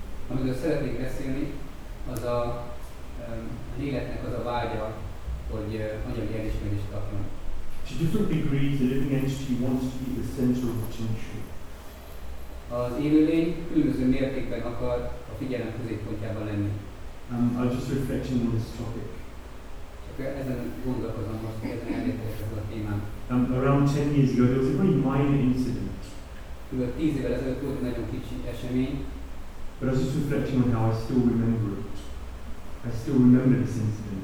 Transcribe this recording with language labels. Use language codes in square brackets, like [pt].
[hu] Amiről szeretnék beszélni, az a életnek az a vágya, hogy anyagi elismerést kapjon. [en] To different degrees, the living entity wants to be the center of attention. [hu] Az élőlény különböző mértékben akar a figyelem középpontjában lenni. [en] I'll just reflect on this topic. [hu] Csak ezen gondolkozom most, hogy ezen elérkezett ez a témán. [en] Around 10 years ago, there was a very minor incident. [hu] kb. 10 évvel ezelőtt volt egy nagyon kicsi esemény. [en] But as you reflect on how I still remember it. I still remember this incident.